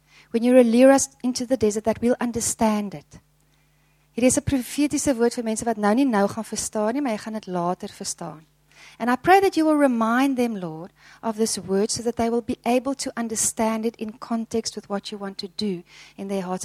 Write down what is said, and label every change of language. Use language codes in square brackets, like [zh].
[en] When you lure us into the desert, that we'll understand it. [af] Hier is 'n profetiese woord vir mense wat nou nie gaan verstaan nie, maar jy gaan dit later verstaan. [en] And I pray that you will remind them, Lord, of this word so that they will be able to understand it in context with what you want to do in their hearts.